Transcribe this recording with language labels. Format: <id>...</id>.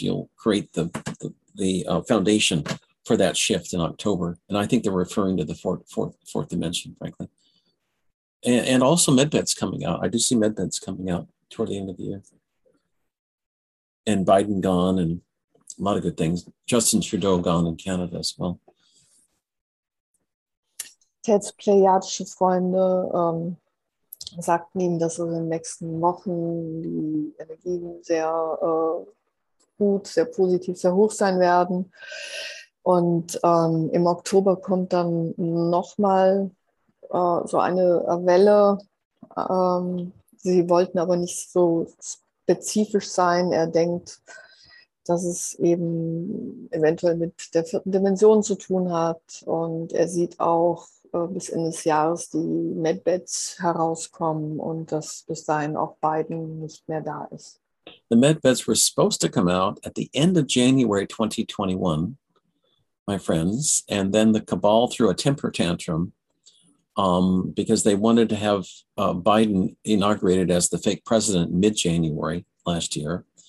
<en>You'll create the foundation for that shift in October. And I think they're referring to the fourth dimension, frankly. And also medbits coming out. I do see medbits coming out toward the end of the year. And Biden gone, and a lot of good things. Justin Trudeau gone in Canada as well.</en> <de>Jetzt plejadische Freunde sagten ihm, dass in den nächsten Wochen die Energien sehr gut, sehr positiv, sehr hoch sein werden. Und im Oktober kommt dann nochmal so eine Welle. Sie wollten aber nicht so spezifisch sein. Er denkt, dass es eben eventuell mit der vierten Dimension zu tun hat. Und er sieht auch, bis Ende des Jahres die Medbeds herauskommen und dass bis dahin auch Biden nicht mehr da ist.</de> <en>The med beds were supposed to come out at the end of January 2021, my friends, and then the cabal threw a temper tantrum because they wanted to have Biden inaugurated as the fake president mid-January last year.</en>